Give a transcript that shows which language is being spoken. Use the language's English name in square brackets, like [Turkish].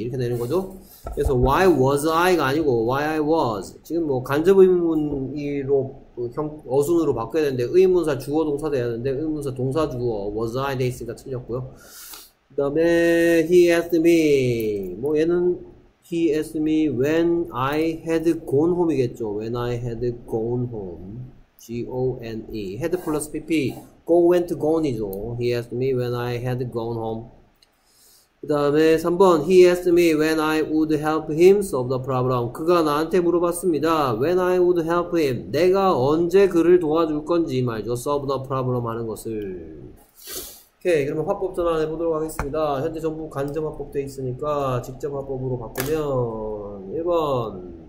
[Korean] 이렇게 되는 거죠. 그래서 [English] why was I가 아니고 why I was. [Korean] 지금 뭐 간접 의문으로 어순으로 바뀌어야 되는데 의문사 주어 동사 돼야 되는데 의문사 동사 주어 was I 돼 있으니까 틀렸고요. 그 다음에 [English] he asked me, [Korean] 뭐 얘는 [English] He asked me when I had gone home이겠죠. When I had gone home. G-O-N-E. Had plus PP. Go, went, gone이죠. He asked me when I had gone home. [Korean] 그 다음에 3번. [English] He asked me when I would help him solve the problem. [Korean] 그가 나한테 물어봤습니다. [English] When I would help him. [Korean] 내가 언제 그를 도와줄 건지 말죠. [English] Solve the problem [Korean] 하는 것을. 오케이. 그러면 화법 전환해 보도록 하겠습니다. 현재 전부 간접 화법 돼 있으니까 직접 화법으로 바꾸면 1번.